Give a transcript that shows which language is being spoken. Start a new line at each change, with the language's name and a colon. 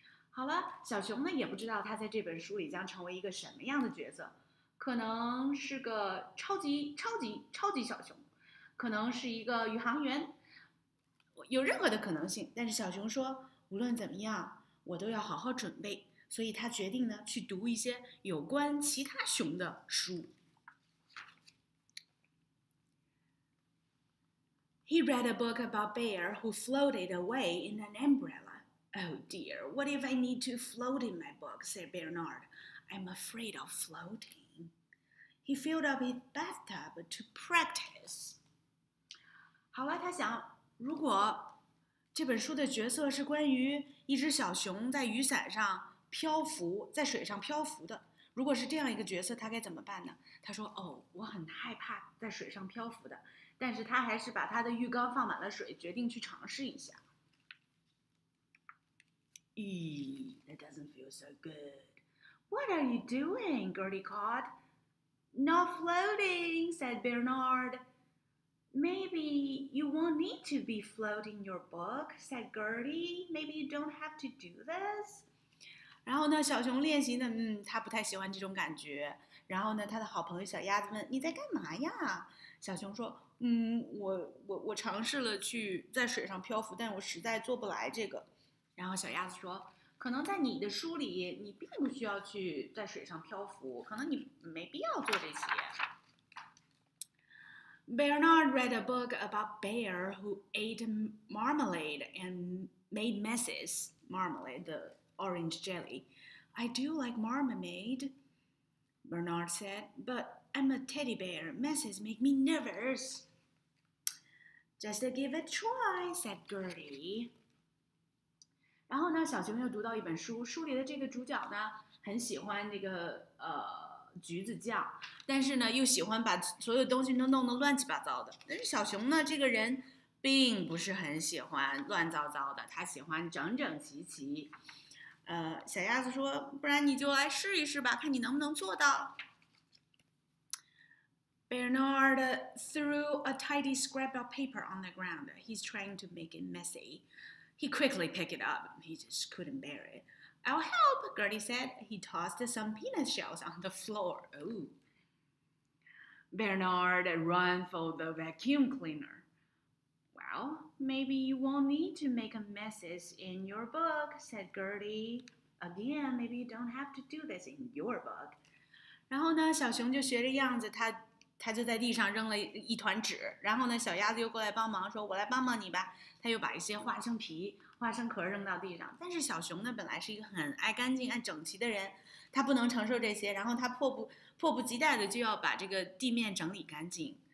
Chinese: 好了，小熊呢也不知道他在这本书里将成为一个什么样的角色，可能是个超级小熊，可能是一个宇航员，有任何的可能性。但是小熊说，无论怎么样，我都要好好准备，所以他决定呢去读一些有关其他熊的书。
English: He read a book about bear who floated away in an umbrella. Oh dear, what if I need to float in my book, said Bernard. I'm afraid of floating. He filled up his bathtub to practice.
Chinese: 好了，他想，如果这本书的角色是关于一只小熊在雨伞上漂浮，在水上漂浮的，如果是这样一个角色，他该怎么办呢？他说，哦，我很害怕在水上漂浮的。但是他还是把他的浴缸放满了水，决定去尝试一下。
English: That doesn't feel so good. What are you doing, Gertie called? Not floating, said Bernard. Maybe you won't need to be floating your book, said Gertie. Maybe you don't have to do this.
Chinese: 然后呢，小熊练习呢，他不太喜欢这种感觉。然后呢，他的好朋友小鸭子问，你在干嘛呀？小熊说，我尝试了去在水上漂浮，但我实在做不来这个。然后小鸭子说，可能在你的书里，你并不需要去在水上漂浮，可能你没必要做这些。
English: Bearnard read a book about bear who ate marmalade and made messes. Marmalade, the orange jelly. I do like marmalade, Bernard said, but I'm a teddy bear. Messes make me nervous. Just to give a try, said Gertie.
Chinese: 然后呢，小熊又读到一本书，书里的这个主角呢，很喜欢这个橘子酱，但是呢，又喜欢把所有东西都弄得乱七八糟的。但是小熊呢，这个人并不是很喜欢乱糟糟的，他喜欢整整齐齐。小鸭子说，不然你就来试一试吧，看你能不能做到。
English: Bernard threw a tidy scrap of paper on the ground. He's trying to make it messy. He quickly picked it up. He just couldn't bear it. I'll help, Gertie said. He tossed some peanut shells on the floor. Ooh. Bernard ran for the vacuum cleaner. Well, maybe you won't need to make a messes in your book, said Gertie. Again, maybe you don't have to do this in your book.
Chinese: 然后呢，小熊就学着样子，他就在地上扔了一团纸，然后呢，小鸭子又过来帮忙，说：“我来帮帮你吧。” 他又把一些花生皮、花生壳扔到地上。但是小熊呢，本来是一个很爱干净、爱整齐的人，他不能承受这些，然后他迫不及待的就要把这个地面整理干净。